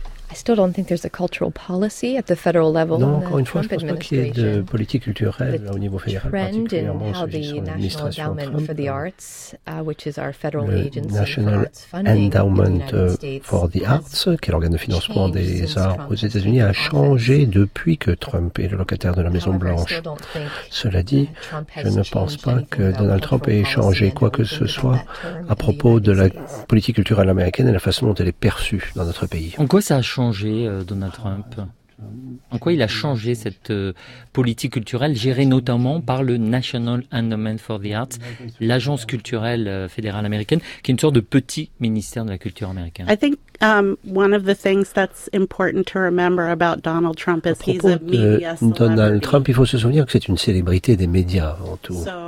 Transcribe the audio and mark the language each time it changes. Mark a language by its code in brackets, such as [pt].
[en] I still don't think there's a cultural policy at the federal level. [fr] Non, encore une fois, je ne pense pas qu'il y ait de politique culturelle au niveau fédéral, particulièrement sur l'administration Trump. [en] For the arts, which is our federal [fr] le National Endowment for the Arts, qui est l'organe de financement des arts aux États-Unis, a changé depuis que Trump est le locataire de la Maison Blanche. Cela dit, je ne pense pas que Donald Trump ait changé quoi que ce soit à propos de la politique culturelle américaine et la façon dont elle est perçue dans notre pays. En quoi ça a changé Donald Trump? En quoi il a changé cette politique culturelle gérée notamment par le National Endowment for the Arts, l'agence culturelle fédérale américaine, qui est une sorte de petit ministère de la culture américaine? [en] I think one of the things that's important to remember about Donald Trump is he's a media celebrity. [fr] Donald Trump, il faut se souvenir que c'est une célébrité des médias avant tout.